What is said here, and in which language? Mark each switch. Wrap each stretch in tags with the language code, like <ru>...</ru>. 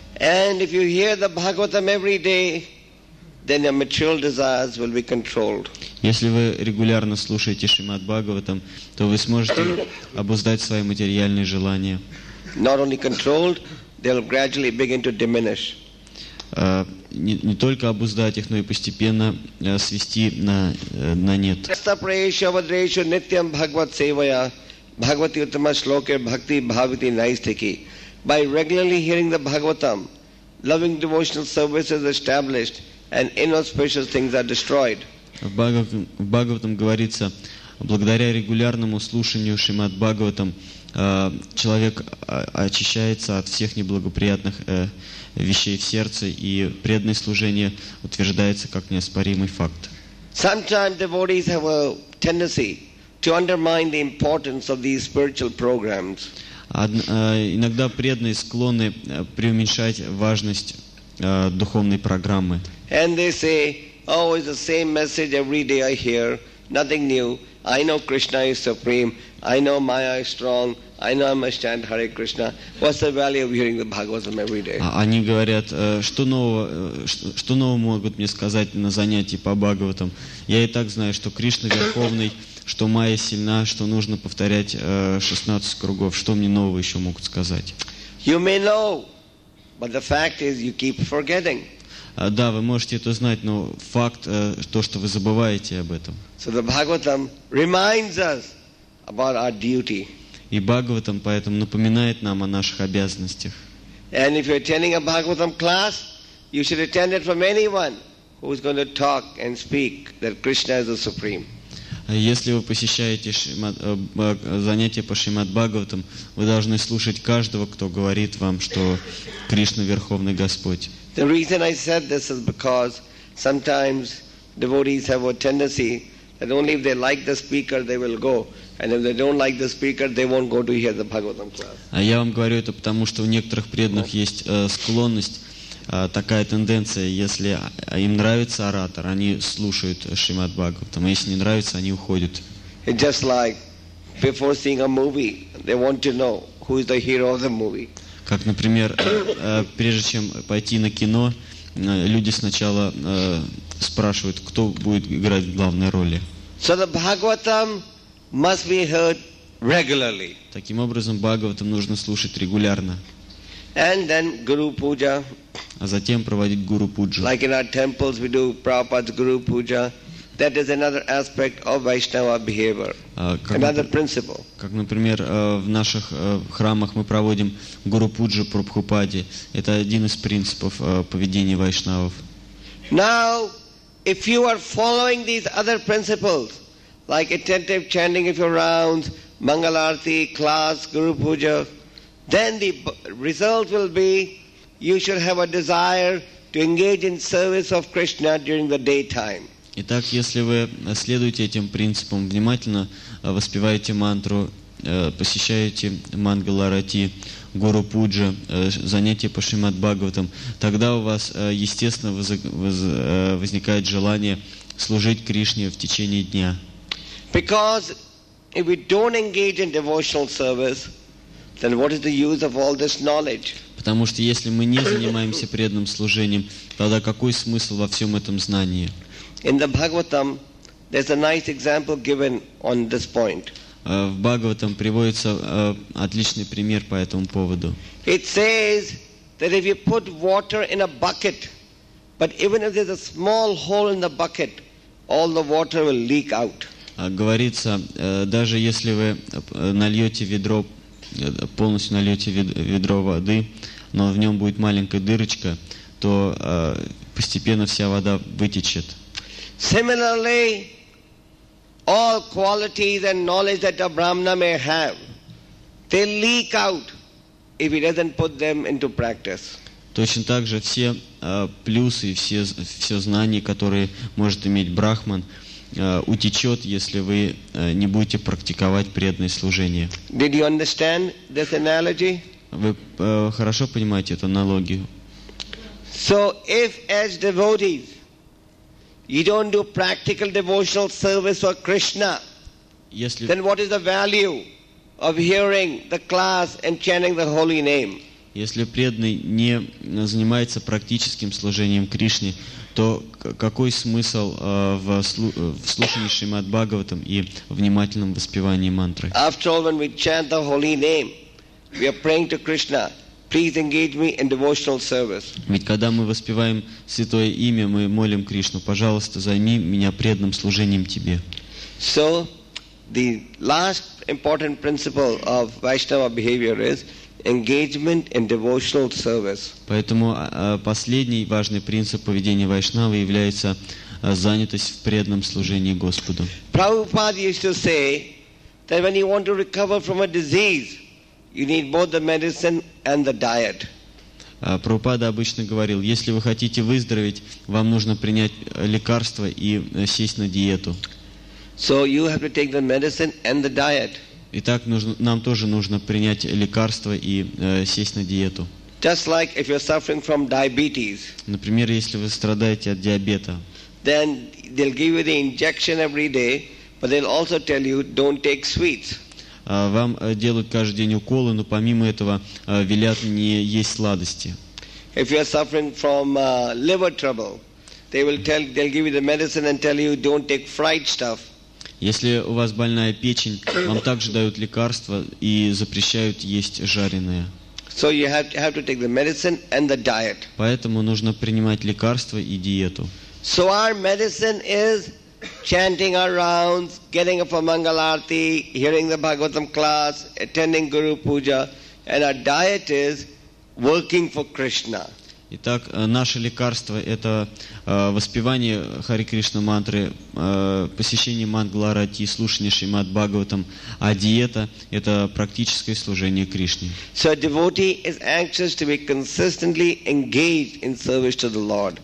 <en>And if you hear the Bhagavatam every day, then your material desires will be controlled.</en> <ru>Если вы регулярно слушаете Шримад Бхагаватам, то вы сможете обуздать свои материальные желания.</ru> <en>Not only controlled, they'll gradually begin to diminish.</en> <ru>Не только обуздать их, но и постепенно свести на нет.</ru> <sa>Стапрейшавадрейшу нитьям бхагват севая бхагвати уттама шлоке бхакти бхавити найстхики.</sa> <en>By regularly hearing the Bhagavatam, loving devotional service is established and inauspicious things are destroyed.</en> <ru>В Бхагаватам говорится, благодаря регулярному слушанию Шримад Бхагаватам, человек очищается от всех неблагоприятных вещей в сердце, и преданное служение утверждается как неоспоримый факт.</ru> <en>Sometimes devotees have a tendency to undermine the importance of these spiritual programs.</en> <ru>Иногда преданные склонны преуменьшать важность духовной программы.</ru> <en>And they say, oh, it's the same message every day I hear, nothing new. I know Krishna is supreme. I know Maya is strong. I know I must chant Hare Krishna. What's the value of hearing the Bhagavatam every day?</en> <ru>Они говорят, что нового могут мне сказать на занятии по Бхагаватам? Я и так знаю, что Кришна верховный, что Майя сильна, что нужно повторять 16 кругов. Что мне нового еще могут сказать?</ru> <en>You may know, but the fact is you keep forgetting.</en> <ru>Да, вы можете это знать, но факт то, что вы забываете об этом.</ru> <en>So the Bhagavatam reminds us about our duty.</en> <ru>И Бхагаватам поэтому напоминает нам о наших обязанностях.</ru> <en>And if you're attending a Bhagavatam class, you should attend it from anyone who's going to talk and speak that Krishna is the supreme.</en> <ru>Если вы посещаете занятия по Шримад Бхагаватам, вы должны слушать каждого, кто говорит вам, что Кришна Верховный Господь.</ru> <en>The reason I said this is because sometimes devotees have a tendency that only if they like the speaker they will go, and if they don't like the speaker they won't go to hear the Bhagavatam class.</en> <ru>А я вам говорю это потому, что у некоторых преданных есть склонность. Такая тенденция, если им нравится оратор, они слушают Шримад Бхагаватам, а если не нравится, они уходят.</ru> <en>It's just like before seeing a movie, they want to know who is the hero of the movie.</en> <ru>Как, например, прежде чем пойти на кино, люди сначала спрашивают, кто будет играть в главной роли.</ru> <en>So the Bhagavatam must be heard regularly.</en> <ru>Таким образом, Бхагаватам нужно слушать регулярно.</ru> <en>And then Guru Puja.</en> <ru>А затем проводить Гуру Пуджу.</ru> <en>Like in our temples we do Prabhupada's Guru Puja. That is another aspect of Vaishnava behavior. Another principle.</en> <ru>Как, например, в наших храмах мы проводим Гуру Пуджу Прабхупаде. Это один из принципов поведения вайшнавов.</ru> <en>Now, if you are following these other principles, like attentive chanting of your rounds, Mangalarti, class, Guru Puja, then the result will be you should have a desire to engage in service of Krishna during the daytime.</en> <ru>Итак, если вы следуете этим принципам, внимательно воспеваете мантру, посещаете Мангаларати, Гуру Пуджа, занятия по Шримад Бхагаватам, тогда у вас, естественно, возникает желание служить Кришне в течение дня.</ru> <en>Because if we don't engage in devotional service, then what is the use of all this knowledge?</en> <ru>Потому что если мы не занимаемся преданным служением, тогда какой смысл во всем этом знании?</ru> <en>In the Bhagavatam, there's a nice example given on this point.</en> <ru>В Бхагаватам приводится отличный пример по этому поводу.</ru> <en>It says that if you put water in a bucket, but even if there's a small hole in the bucket, all the water will leak out.</en> <ru>Говорится, даже если вы нальете ведро полностью нальете ведро воды, но в нем будет маленькая дырочка, то постепенно вся вода вытечет.</ru> <en>Similarly, all qualities and knowledge that a brahmana may have, they leak out if he doesn't put them into practice.</en> <ru>Точно так же все плюсы и все знания, которые может иметь брахман, утечет, если вы не будете практиковать преданное служение.</ru> <en>Did you understand this analogy?</en> <ru>Вы хорошо понимаете эту аналогию?</ru> <en>So if as devotees you don't do practical devotional service for Krishna, then what is the value of hearing the class and chanting the holy name?</en> <ru>Если преданный не занимается практическим служением Кришне, то какой смысл в слушании Шримад Бхагаватам и внимательном воспевании мантры?</ru> <en>After all, when we chant the holy name, we are praying to Krishna, please engage me in devotional service.</en> <ru>Ведь когда мы воспеваем святое имя, мы молим Кришну, пожалуйста, займи меня преданным служением Тебе.</ru> <en>So, the last important principle of Vaishnava behavior is engagement in devotional service.</en> <ru>Поэтому последний важный принцип поведения вайшнавы является занятость в преданном служении Господу.</ru> <en>Prabhupada used to say that when you want to recover from a disease, you need both the medicine and the diet.</en> <ru>Прабхупада обычно говорил, если вы хотите выздороветь, вам нужно принять лекарство и сесть на диету.</ru> <en>So you have to take the medicine and the diet.</en> <ru>Итак, нам тоже нужно принять лекарство и сесть на диету.</ru> <en>Just like if you're suffering from diabetes.</en> <ru>Например, если вы страдаете от диабета.</ru> <en>Then they'll give you the injection every day, but they'll also tell you don't take sweets.</en> <ru>Вам делают каждый день уколы, но помимо этого велят не есть сладости.</ru> <en>If you're suffering from liver trouble, they'll give you the medicine and tell you don't take fried stuff.</en> <ru>Если у вас больная печень, вам также дают лекарства и запрещают есть жареное.</ru> <en>So you have to take the medicine and the diet.</en> <ru>Поэтому нужно принимать лекарства и диету.</ru> <en>So our medicine is chanting our rounds, getting up for Mangal Arati, hearing the Bhagavatam class, attending Guru Puja, and our diet is working for Krishna.</en> <ru>Итак, наше лекарство – это воспевание Хари Кришна мантры, посещение Мангаларати, слушание Шримад Бхагаватам, а диета – это практическое служение Кришне.</ru> <en>So a devotee is anxious to be consistently engaged in service to the Lord.</en>